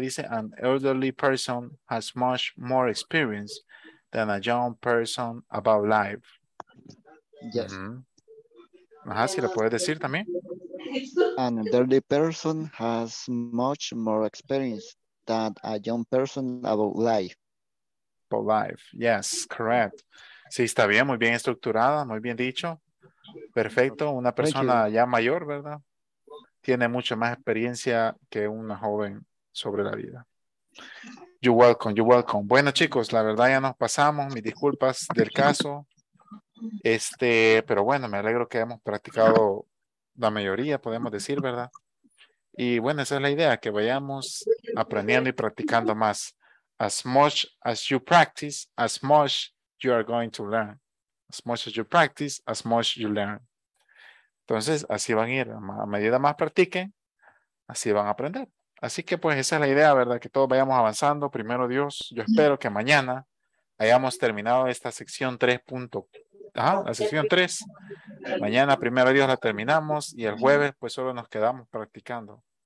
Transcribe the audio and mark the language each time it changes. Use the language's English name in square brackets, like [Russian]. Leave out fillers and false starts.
[Spanish] Dice, [English] an elderly person has much more experience than a young person about life. Yes. [Spanish] Ajá, si lo puedes decir también. [English] An elderly person has much more experience than a young person about life. About life, yes, correct. [Spanish] Sí, está bien, muy bien estructurada, muy bien dicho. Perfecto, una persona ya mayor, ¿verdad? Tiene mucha más experiencia que una joven sobre la vida. [English] You're welcome, you're welcome. [Spanish] Bueno, chicos, la verdad ya nos pasamos. Mis disculpas del caso. Pero bueno, me alegro que hemos practicado la mayoría, podemos decir, ¿verdad? Y bueno, esa es la idea, que vayamos aprendiendo y practicando más. [English] As much as you practice, as much you are going to learn. As much as you practice, as much you learn. [Spanish] Entonces, así van a ir. A medida más practiquen, así van a aprender. Así que pues esa es la idea, ¿verdad? Que todos vayamos avanzando. Primero Dios, yo espero que mañana hayamos terminado esta sección 3. Ajá, la sección 3. Mañana primero Dios la terminamos y el jueves pues solo nos quedamos practicando.